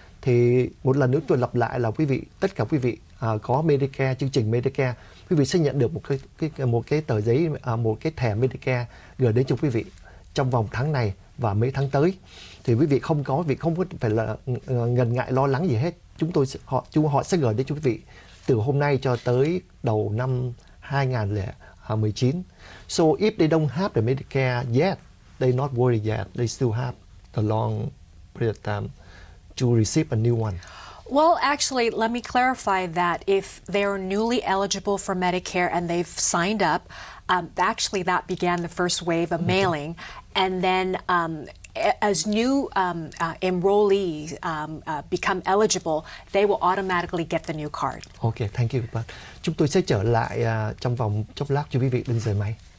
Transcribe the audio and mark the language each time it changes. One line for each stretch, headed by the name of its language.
Vietnamese: Thì một lần nữa tôi lặp lại là quý vị, tất cả quý vị có Medicare, chương trình Medicare, quý vị sẽ nhận được một cái tờ giấy, một cái thẻ Medicare gửi đến cho quý vị trong vòng tháng này và mấy tháng tới. Thì quý vị không có, quý vị không có phải là ngần ngại lo lắng gì hết. Họ sẽ gửi đến cho quý vị từ hôm nay cho tới đầu năm 2019.
English: So if they don't have the Medicare yet, they not worried yet. They still have a long period of time to receive a new one. Well, actually, let me clarify that if they're newly eligible for Medicare and they've signed up, actually that began the first wave of mailing. And then as new enrollees become eligible, they will automatically get the new card. Okay, thank you.
Vietnamese: But chúng tôi sẽ trở lại trong vòng chốc lát cho quý vị, đừng rời máy.